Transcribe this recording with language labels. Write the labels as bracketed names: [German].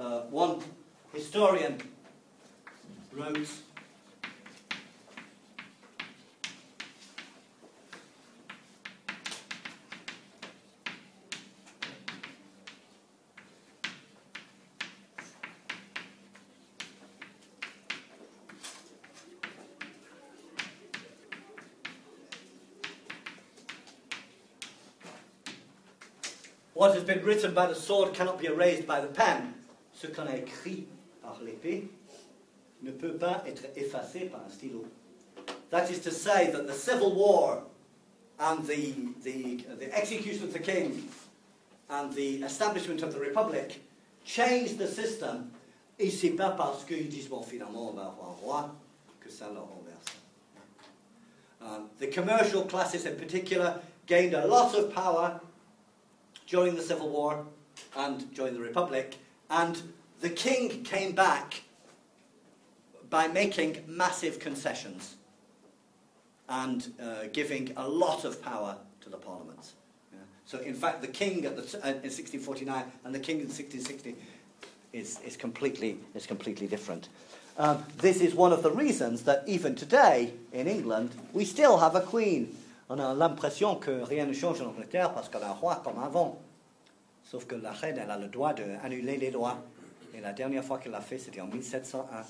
[English] One historian wrote, "What has been written by the sword cannot be erased by the pen. [French] Ce qu'on a écrit par l'épée ne peut pas être effacé par un stylo." [English] That is to say that the civil war and the execution of the king and the establishment of the republic changed the system. [French] Et c'est pas parce qu'ils disent, bon, finalement, on va avoir un roi, que ça leur renverse. [English] The commercial classes in particular gained a lot of power during the Civil War and during the Republic, and the king came back by making massive concessions and giving a lot of power to the Parliament. Yeah. So, in fact, the king in 1649 and the king in 1660 is completely different. This is one of the reasons that even today in England we still have a queen. [French] On a l'impression que rien ne change en Angleterre parce qu'on a un roi comme avant. Sauf que la reine, elle a le droit d'annuler les lois. Et la dernière fois qu'elle l'a fait, c'était en 1701.